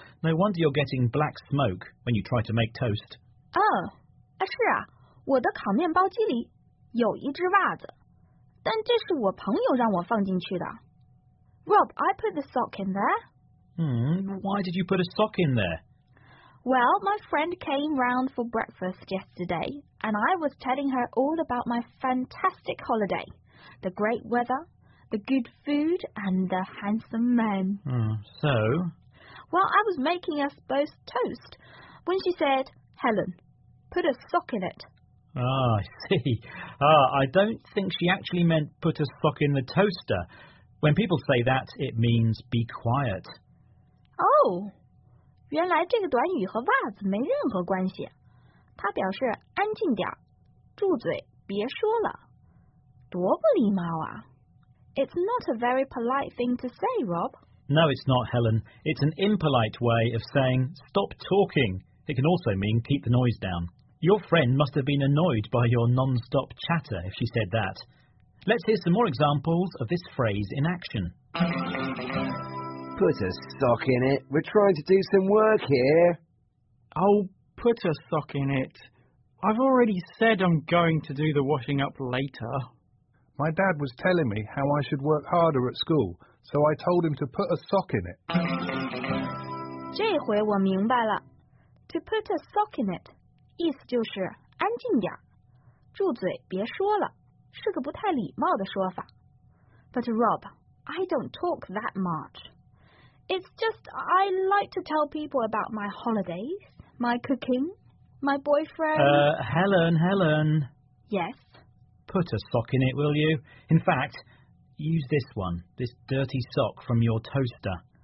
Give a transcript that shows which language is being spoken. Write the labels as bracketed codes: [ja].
[en] No wonder you're getting black smoke when you try to make toast. [zh] Oh, 是啊，我的烤面包机里有一只袜子，但这是我朋友让我放进去的。 [en] Rob, I put the sock in there. Why did you put a sock in there? Well, my friend came round for breakfast yesterday, and I was telling her all about my fantastic holiday, the great weather, the good food, and the handsome men. So? Well, I was making us both toast when she said, Helen, put a sock in it. I don't think she actually meant put a sock in the toaster. When people say that, it means be quiet. [zh] Oh, 原来这个短语和袜子没任何关系。它表示安静点，住嘴，别说了。多不礼貌啊。 [en] It's not a very polite thing to say, Rob. No, it's not, Helen. It's an impolite way of saying stop talking. It can also mean keep the noise down. Your friend must have been annoyed by your non-stop chatter if she said that. Let's hear some more examples of this phrase in action. Put a sock in it. We're trying to do some work here. Oh, put a sock in it. I've already said I'm going to do the washing up later. My dad was telling me how I should work harder at school, so I told him to put a sock in it. [zh] 这回我明白了。 [en] To put a sock in it, [zh] 意思就是安静点，住嘴别说了，是个不太礼貌的说法。 [en] But Rob, I don't talk that much. It's just I like to tell people about my holidays, my cooking, my boyfriend. Helen. Yes? Put a sock in it, will you? In fact, use this one, this dirty sock from your toaster.